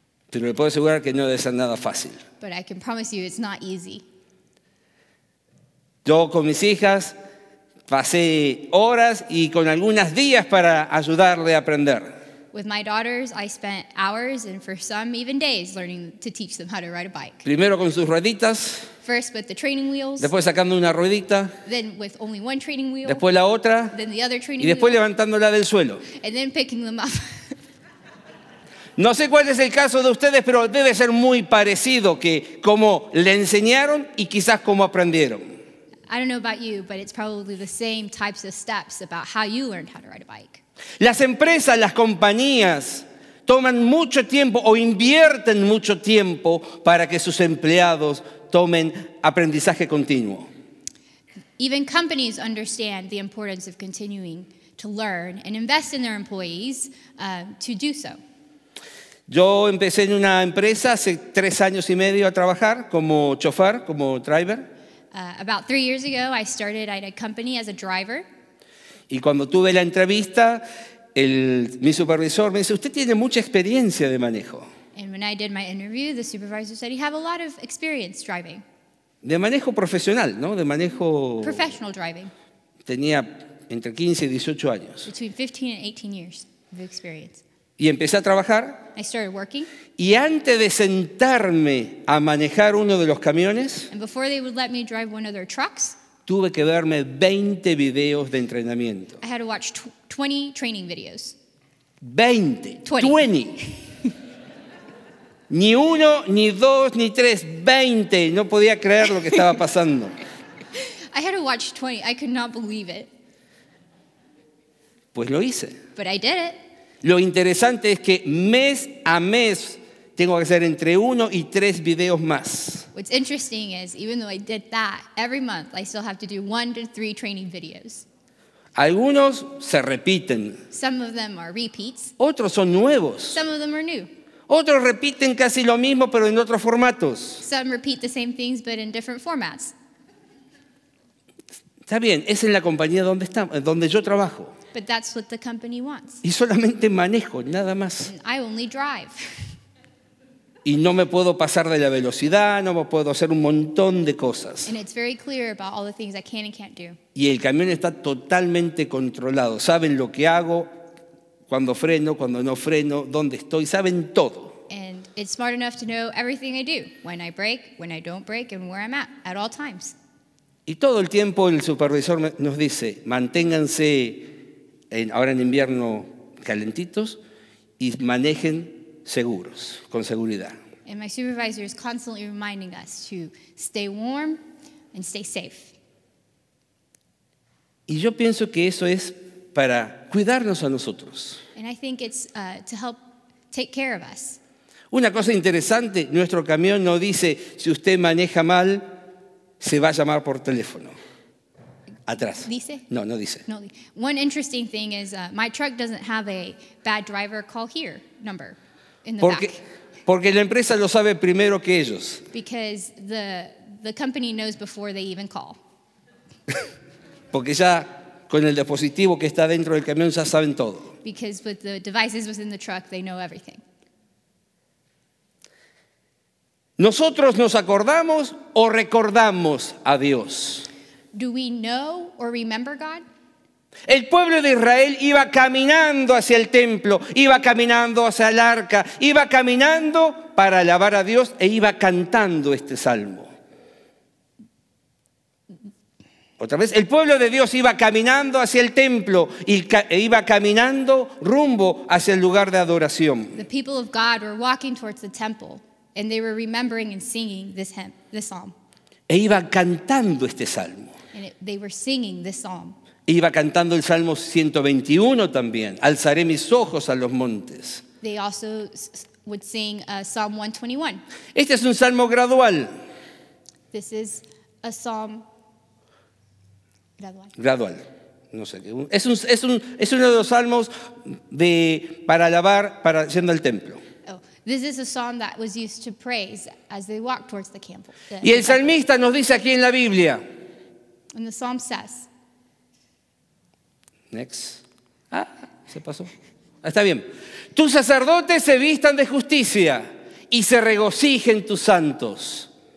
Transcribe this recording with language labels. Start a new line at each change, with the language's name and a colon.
Spanish: Pero le puedo asegurar que no debe ser nada fácil.
English: But I can promise you it's not easy.
Spanish: Yo con mis hijas pasé horas y con algunas días para ayudarle a aprender.
English: With my daughters, I spent hours and for some even days learning to teach them how to ride a bike.
Spanish: Primero con sus rueditas.
English: First with the training wheels.
Spanish: Después sacando una ruedita.
English: Then with only one training wheel.
Spanish: Después la otra.
English: Then the other training wheel.
Spanish: Y después
English: wheel,
Spanish: levantándola del suelo.
English: And then picking them up.
Spanish: No sé cuál es el caso de ustedes, pero debe ser muy parecido que cómo le enseñaron y quizás cómo aprendieron.
English: I don't know about you, but it's probably the same types of steps about how you learned how to ride a bike.
Spanish: Las empresas, las compañías toman mucho tiempo o invierten mucho tiempo para que sus empleados tomen aprendizaje continuo.
English: Even companies understand the importance of continuing to learn and invest in their employees to do so.
Spanish: Yo empecé en una empresa hace 3 años y medio a trabajar como chofer, como driver.
English: About 3 years ago, I started at a company as a driver.
Spanish: Y cuando tuve la entrevista, mi supervisor me dice, usted tiene mucha experiencia de manejo.
English: And when I did my interview, the supervisor said, you have a lot of experience driving.
Spanish: De manejo profesional, ¿no? De manejo...
English: Professional driving.
Spanish: Tenía entre 15 y 18 años.
English: Between 15 and 18 years of experience.
Spanish: Y empecé a trabajar.
English: I started working.
Spanish: Y antes de sentarme a manejar uno de los camiones,
English: and before they would let me drive one of their trucks,
Spanish: tuve que verme 20 videos de entrenamiento.
English: I had to watch 20 training videos.
Spanish: 20. Ni uno, ni dos, ni tres, 20. No podía creer lo que estaba pasando.
English: I had to watch 20. I could not believe it.
Spanish: Pues lo hice.
English: But I did it.
Spanish: Lo interesante es que mes a mes tengo que hacer entre uno y tres videos más.
English: What's interesting is, even though I did that, every month I still have to do 1 to 3 training videos.
Spanish: Algunos se repiten.
English: Some of them are repeats.
Spanish: Otros son nuevos.
English: Some of them are new.
Spanish: Otros repiten casi lo mismo, pero en otros formatos.
English: Some repeat the same things, but in different formats.
Spanish: Está bien, es en la compañía donde estamos, donde yo trabajo.
English: But that's what the company wants.
Spanish: Y solamente manejo, nada más.
English: And I only drive.
Spanish: Y no me puedo pasar de la velocidad, no me puedo hacer un montón de cosas.
English: And it's very clear about all the things I can and can't do.
Spanish: Y el camión está totalmente controlado. Saben lo que hago, cuando freno, cuando no freno, dónde estoy, saben todo.
English: And it's smart enough to know everything I do, when I brake, when I don't brake, and where I'm at all times.
Spanish: Y todo el tiempo el supervisor nos dice, manténganse ahora en invierno calentitos y manejen seguros, con seguridad.
English: And my supervisor is constantly reminding us to stay warm and stay safe.
Spanish: Y yo pienso que eso es para cuidarnos a nosotros.
English: And I think it's to help take care of us.
Spanish: Una cosa interesante, nuestro camión no dice, si usted maneja mal, se va a llamar por teléfono. Atrás. ¿Dice? No, no dice.
English: No. One interesting thing is my truck doesn't have a bad driver call here number.
Spanish: Porque la empresa lo sabe primero que ellos.
English: Because the company knows before they even call.
Spanish: Porque ya con el dispositivo que está dentro del camión ya saben todo.
English: Because with the devices within the truck they know everything.
Spanish: Nosotros nos acordamos o recordamos a Dios.
English: Do we know or remember God?
Spanish: El pueblo de Israel iba caminando hacia el templo, iba caminando hacia el arca, iba caminando para alabar a Dios e iba cantando este salmo. Otra vez, el pueblo de Dios iba caminando hacia el templo e iba caminando rumbo hacia el lugar de adoración.
English: The people of God were walking towards the temple and they were remembering and singing this hymn, this psalm.
Spanish: E iba cantando este salmo.
English: And they were singing this psalm.
Spanish: Iba cantando el Salmo 121 también. Alzaré mis ojos a los montes.
English: They also would sing Psalm 121.
Spanish: Este es un salmo gradual.
English: This is a psalm
Spanish: gradual. Gradual. No sé qué. Es uno de los salmos de para alabar para yendo al templo.
English: This is a psalm that was used to praise as they walked towards the camp.
Spanish: Y el salmista nos dice aquí en la Biblia.
English: And the psalm says. Next.
Spanish: Ah, se pasó. Ah, está bien. Tus sacerdotes se vistan de justicia y se regocijen tus santos.